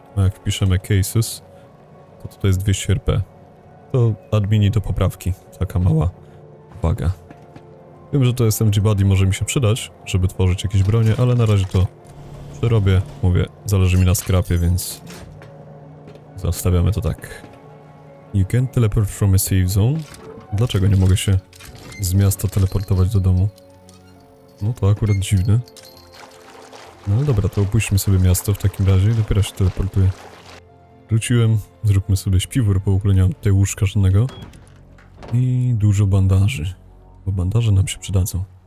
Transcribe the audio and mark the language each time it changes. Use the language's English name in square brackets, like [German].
[Polish] A jak wpiszemy cases, to tutaj jest 200 RP. To admini do poprawki. Taka mała uwaga. Wiem, że to SMG Buddy może mi się przydać, żeby tworzyć jakieś bronie, ale na razie to to robię. Mówię, zależy mi na skrapie, więc zostawiamy to tak. [English] You can't teleport from a safe zone. [Polish] Dlaczego nie mogę się z miasta teleportować do domu? No to akurat dziwne. No dobra, to opuśćmy sobie miasto w takim razie i dopiero się teleportuję. Wróciłem, zróbmy sobie śpiwór, bo w ogóle nie mam tutaj łóżka żadnego. I dużo bandaży, bo bandaże nam się przydadzą.